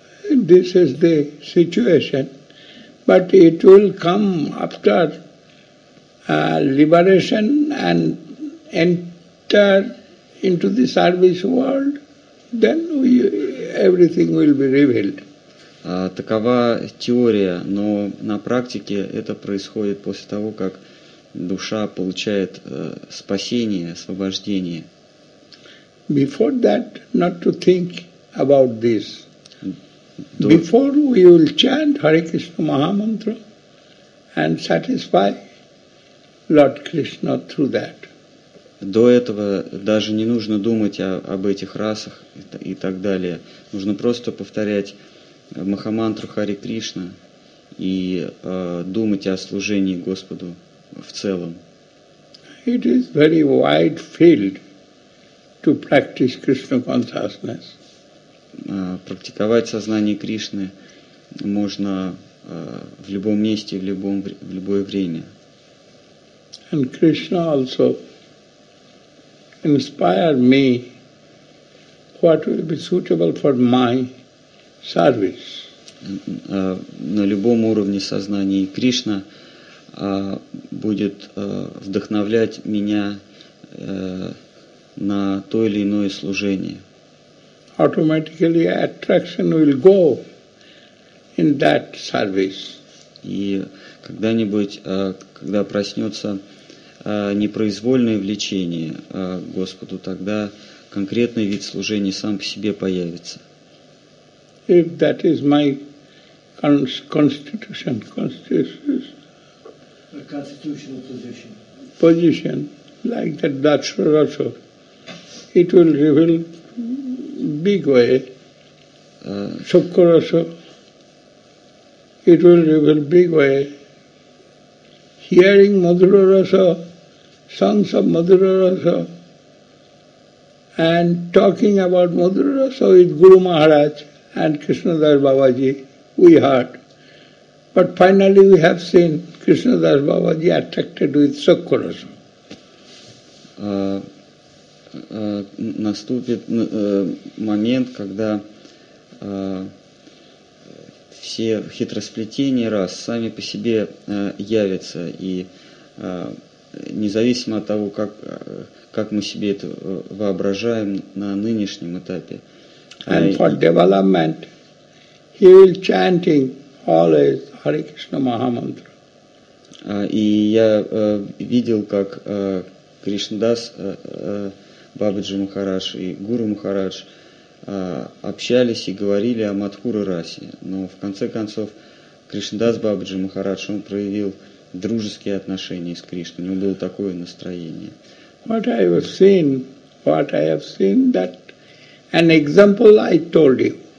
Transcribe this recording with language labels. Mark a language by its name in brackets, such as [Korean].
[English] This is the situation, but it will come after liberation and into the service world, then everything will be revealed. [Russian] Такова теория, но на практике это происходит после того, как душа получает спасение, освобождение. [English] Before that, not to think about this. Before we will chant Hare Krishna Mahamantra and satisfy Lord Krishna through that. [Russian] До этого даже не нужно думать об этих расах и так далее. Нужно просто повторять Махамантру Хари Кришна и думать о служении Господу в целом. [English] It is very wide field to practice Krishna consciousness. [Russian] Практиковать сознание Кришны можно в любом месте, в любое время. [English] And Krishna also inspire me what will be suitable for my service. [Russian] На любом уровне сознания Кришна будет вдохновлять меня на то или иное служение. [English] Automatically attraction will go in that service. [Russian] И когда проснется непроизвольное влечение к Господу, тогда конкретный вид служения сам по себе появится. [English] If that is my constitutional position, like that Dasya Rasa, it will reveal big way. Sukha Rasa, it will reveal big way. Hearing Madhura Rasa, songs of Madhura Rasa and talking about Madhura Rasa with Guru Maharaj and Krishnadas Babaji, we heard. But finally we have seen Krishnadas Babaji attracted with Sukha Rasa. [Russian] Наступит момент, когда все хитросплетения рас сами по себе явятся, и независимо от того, как мы себе это воображаем на нынешнем этапе. [English] And for development, he will chanting always Hare Krishna Mahamantra. [Russian] И я видел, как Кришнадас Бабаджи Махарадж и Гуру Махарадж общались и говорили о Мадхура расе. Но в конце концов Кришнадас Бабаджи Махарадж, он проявил дружеские отношения с Кришной. У него было такое настроение. [English] What I have seen, that an example I told you.